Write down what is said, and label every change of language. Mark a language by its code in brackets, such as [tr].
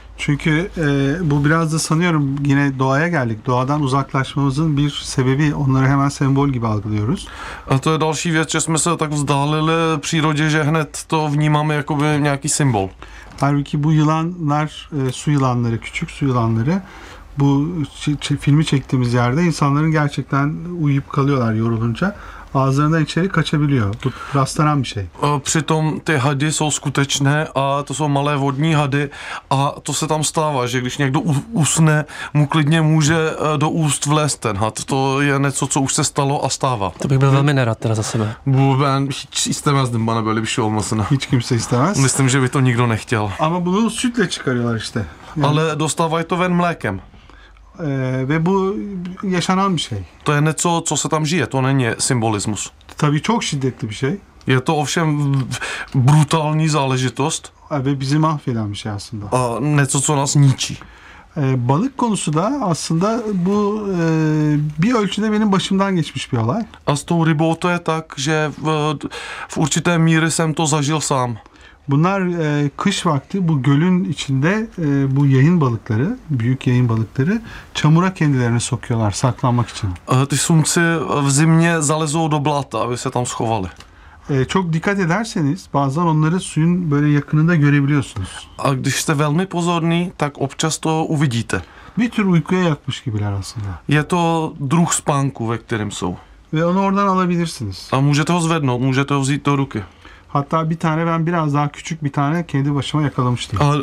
[tr] Çünkü bu biraz da sanıyorum yine doğaya geldik. Doğadan uzaklaşmamızın bir sebebi, onları hemen sembol gibi algılıyoruz. [cs] A to je další věc, že jsme se tak vzdálili přírodě, že hned to vnímáme jako by nějaký symbol. [tr] Halbuki bu yılanlar, su yılanları, küçük su yılanları bu filmi çektiğimiz yerde insanların gerçekten uyuyup kalıyorlar yorulunca. Ağzlarından içeri kaçabiliyor. Bu rastlanan bir şey. [cs] Přitom ty hady jsou skutečné a to jsou malé vodní hady a to se tam stává, že když někdo usne, mu klidně může do úst vlézt ten had. To je něco, co už se stalo a stává. To bych byl velmi nerad teda za sebe. [tr] Bu ben hiç istemezdim bana böyle bir şey olmasına. Hiç kimse istemez. [cs] Myslím, že by to nikdo nechtěl. [tr] Ama bunu sütle çıkarıyorlar işte. Yani... [cs] Ale dostávají to ven mlékem. [tr] Ve bu yaşanan bir şey. [cs] To je něco, co se tam žije, to není symbolismus. [tr] Tabii çok şiddetli bir şey. [cs] Je to ovšem brutální záležitost. [tr] Ve bizi mahveden bir şey aslında. [cs] A něco, co nás ničí. [tr] Balık konusu da aslında bu bir ölçüde benim başımdan geçmiş bir olay. [cs] A s tou rybou to je tak, že v určité míry jsem to zažil sám. [tr] Bunlar kış vakti bu gölün içinde bu yayın balıkları, büyük yayın balıkları çamura kendilerini sokuyorlar saklanmak için. [cs] Ty sumci v zimě zalezou do blata, aby se tam schovali. [tr] Çok dikkat ederseniz bazen onları suyun böyle yakınında görebiliyorsunuz. [cs] A když jste velmi pozorný, tak občas to uvidíte. [tr] Bir tür uykuya yatmış gibiler aslında. [cs] Je to druh spánku, ve kterém jsou. [tr] Ve onu oradan alabilirsiniz. [cs] A můžete ho zvednout, můžete ho vzít do ruky. [tr] Hatta bir tane ben biraz daha küçük bir tane kendi başıma yakalamıştım.